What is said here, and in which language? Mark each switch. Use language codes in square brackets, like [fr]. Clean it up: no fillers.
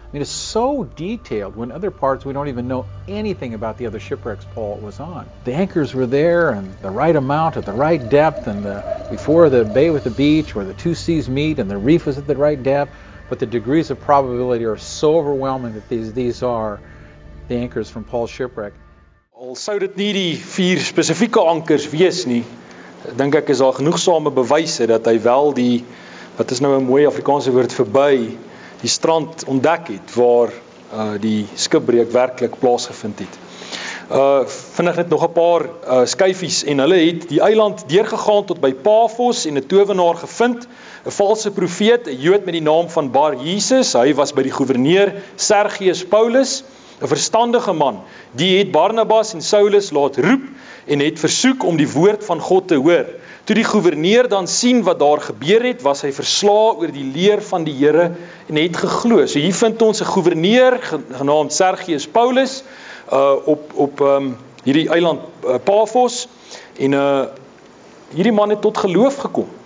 [en] I mean, it's so detailed when other parts we don't even know anything about the other shipwrecks Paul was on. The anchors were there and the right amount at the right depth and before the bay with the beach where the two seas meet and the reef was at the right depth, but the degrees of probability are so overwhelming that these are the anchors from Paul's shipwreck. [af] Al sou dit nie die vier spesifieke ankers wees nie, dink ek is daar genoegsame bewyse dat hy wel die, wat is nou 'n mooi Afrikaanse woord, verby die strand ontdek het waar die skipbreuk werklik plaasgevind het. Vinnig net nog 'n paar skyfies, en hulle het die eiland deurgegaan tot by Paphos en 'n tovenaar gevind, 'n valse profeet, 'n Jood met die naam van Bar Jesus. Hy was by die goewerneur Sergius Paulus, 'n verstandige man. Die het Barnabas en Saulus laat roep en het versoek om die woord van God te hoor. Toe die goewerneur dan sien wat daar gebeur het, was hy verslae oor die leer van die Here en het geglo. So hier vind ons 'n goewerneur genaamd Sergius Paulus op hierdie eiland Paphos, en hierdie man het tot geloof gekom.